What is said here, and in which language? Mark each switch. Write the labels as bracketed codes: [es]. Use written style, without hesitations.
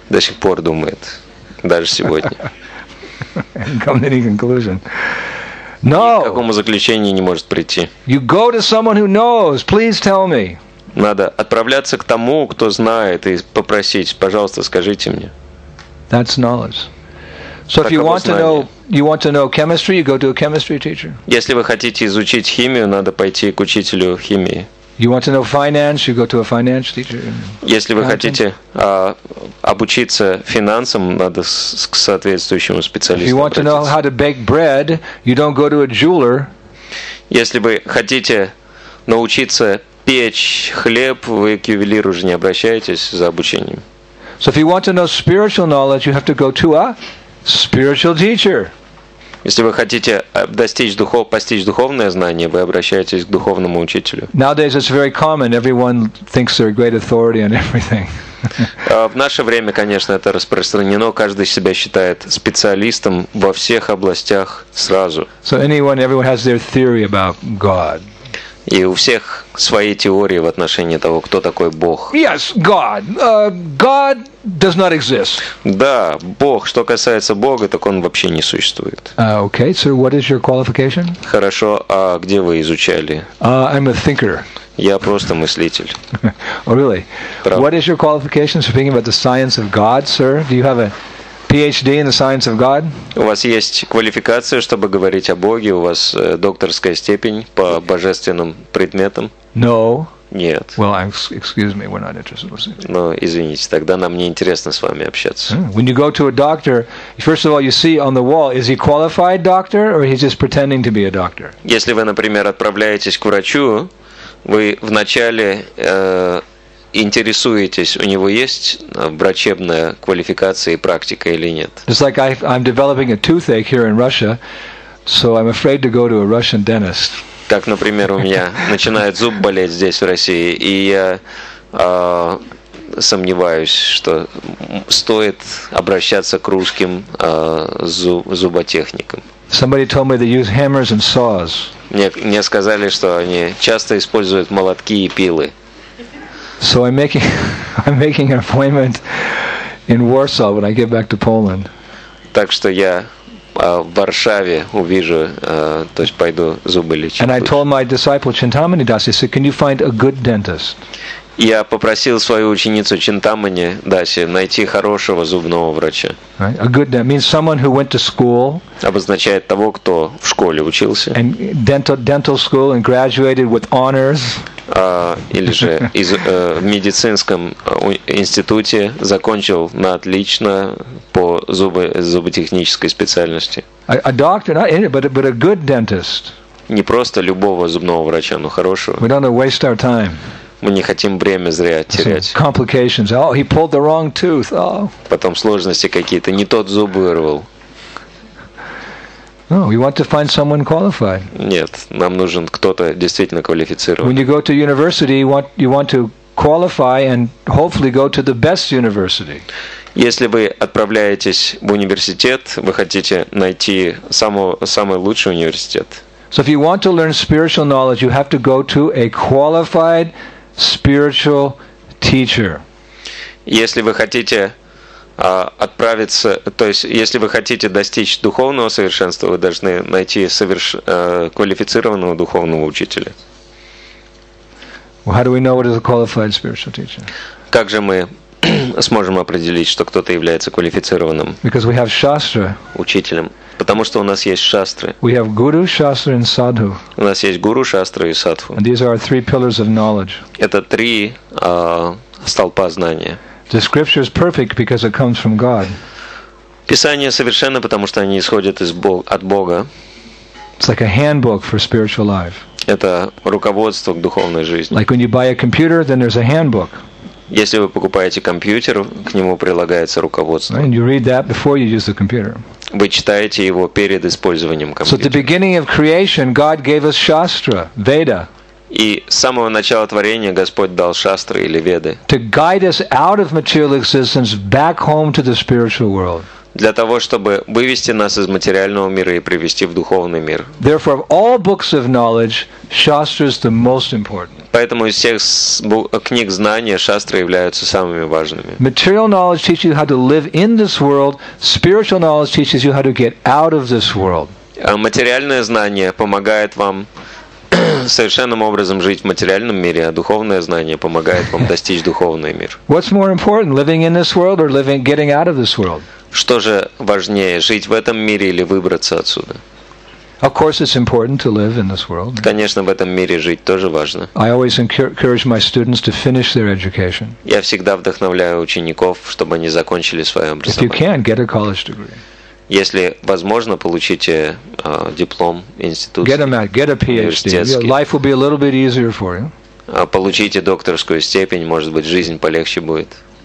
[ru] До сих пор думает, даже сегодня. [en] And come to any conclusion. No. [ru] Ни к какому заключению не может прийти. [en] You go to someone who knows. Please tell me. [ru] Надо отправляться к тому, кто знает, и попросить, пожалуйста, скажите мне. [en] That's knowledge. So if you want to know chemistry, you go to a chemistry teacher. [ru] Если вы хотите изучить химию, надо пойти к учителю химии. [en] You want to know finance, you go to a finance teacher. [ru] Если вы хотите обучиться финансам, надо к соответствующему специалисту. [en] If you want to know how to bake bread, you don't go to a jeweler. [ru] Если вы хотите научиться печь хлеб, вы к ювелиру же не обращаетесь за обучением. [en] So if you want to know spiritual knowledge, you have to go to a spiritual teacher. [ru] Если вы хотите достичь духов, постичь духовное знание, вы обращаетесь к духовному учителю. [en] Nowadays it's very common. Everyone thinks they're a great authority on everything. [ru] В наше время, конечно, это распространено. Каждый себя считает специалистом во всех областях сразу. [en] So anyone, everyone has their theory about God. [ru] И у всех свои теории в отношении того, кто такой Бог. [en] Yes, God. God does not exist. [ru] Да, Бог. Что касается Бога, так он вообще не существует. [en] Okay, sir, what is your qualification? [ru] Хорошо, а где вы изучали? [en] I'm a thinker. [ru] Я просто мыслитель. [en] Oh, really? [ru] Правда. [en] What is your qualification? Speaking about the science of God, sir, do you have a PhD in the science of God? [ru] У вас есть квалификация, чтобы говорить о Боге? У вас докторская степень по божественным предметам? [en] No. [ru] Нет. [en] Well, excuse me, we're not interested in listening. [ru] Ну, извините, тогда нам не интересно с вами общаться. [en] When you go to a doctor, first of all, you see on the wall, is he qualified doctor or he's just pretending to be a doctor? [ru] Если вы, например, отправляетесь к врачу, вы вначале интересуетесь, у него есть врачебная квалификация и практика или нет? [en] It's like I'm developing a toothache here in Russia, so I'm afraid to go to a Russian dentist. [ru] Как, например, у меня начинает зуб болеть здесь в России, и я сомневаюсь, что стоит обращаться к русским зуботехникам. [en] Somebody told me they use hammers and saws. [ru] Мне сказали, что они часто используют молотки и пилы. [en] So I'm making an appointment in Warsaw when I get back to Poland. [ru] Так что я в Варшаве увижу, то есть пойду зубы лечить. [en] And I told my disciple Chintamani Das, I said, can you find a good dentist? [ru] Я попросил свою ученицу Чинтамани Даси найти хорошего зубного врача. [en] A good dentist means someone who went to school. [ru] Обозначает того, кто в школе учился. [en] And dental school and graduated with honors. [ru] Или же в медицинском институте закончил на отлично по зуботехнической специальности. [en] A doctor, not any, but a good dentist. [ru] Не просто любого зубного врача, но хорошего. [en] We don't waste our time. [ru] Мы не хотим время зря терять. [en] Complications. Oh, he pulled the wrong tooth. Oh. [ru] Потом сложности какие-то, не тот зуб вырвал. [en] No, we want to find someone qualified. [ru] Нет, нам нужен кто-то действительно квалифицированный. [en] When you go to university, you want to qualify and hopefully go to the best university. [ru] Если вы отправляетесь в университет, вы хотите найти самый лучший университет. [en] So if you want to learn spiritual knowledge, you have to go to a qualified spiritual teacher. [ru] Если вы хотите отправиться, то есть если вы хотите достичь духовного совершенства, вы должны найти квалифицированного духовного учителя. [en] Well, how do we know what is a qualified spiritual teacher? [ru] Как же мы сможем определить, что кто-то является квалифицированным? [en] Because we have shastra. [ru] Учителем. Потому что у нас есть шастры. [en] We have guru, shastra and sadhu. [ru] У нас есть гуру, шастра и садху. [en] And these are our three pillars of knowledge. [ru] Это три столпа знания. [en] The scripture is perfect because it comes from God. [ru] Писание совершенно, потому что они исходят от Бога. [en] It's like a handbook for spiritual life. [ru] Это руководство к духовной жизни. [en] Like when you buy a computer, then there's a handbook. [ru] Если вы покупаете компьютер, к нему прилагается руководство. [en] And you read that before you use the computer. [ru] Вы читаете его перед использованием компьютера. [en] So at the beginning of creation, God gave us shastra, Veda. [ru] И с самого начала творения Господь дал шастры или веды. [en] To guide us out of material existence back home to the spiritual world. [ru] Для того, чтобы вывести нас из материального мира и привести в духовный мир. [en] Therefore, of all books of knowledge, shastra is the most important. [ru] Поэтому из всех книг знания шастры являются самыми важными. [en] Material knowledge teaches you how to live in this world. Spiritual knowledge teaches you how to get out of this world. [ru] Материальное знание помогает вам совершенным образом жить в материальном мире, а духовное знание помогает вам достичь духовный мир. [en] What's more important, living in this world or getting out of this world? [ru] Что же важнее, жить в этом мире или выбраться отсюда? [en] Of course, it's important to live in this world. [ru] Конечно, в этом мире жить тоже важно. [en] I always encourage my students to finish their education. [ru] Я всегда вдохновляю учеников, чтобы они закончили свое образование. [en] If you can, get a college degree. [ru] Если возможно, получите диплом институтский. [en] Get a PhD. Life will be a little bit easier for you. [ru] Получите докторскую степень, может быть, жизнь полегче будет.